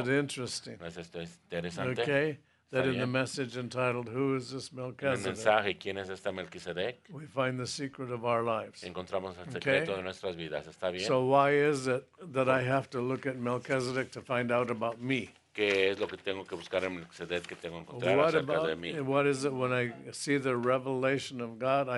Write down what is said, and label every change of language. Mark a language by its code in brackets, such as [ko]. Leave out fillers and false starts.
[en] Isn't it interesting? [es] ¿No es esto interesante? [en] Okay. That in the message entitled "Who is this Melchizedek?" [es] En el mensaje, ¿quién es este Melquisedec? [en] We find the secret of our lives. [es] Encontramos el secreto okay? de nuestras vidas. Está bien. [en] So why is it that I have to look at Melchizedek to find out about me? [es] ¿Qué es lo que tengo que buscar en Melquisedec que tengo que encontrar acerca [en] about, [es] de mí? [en] What is it when I see the revelation of God, I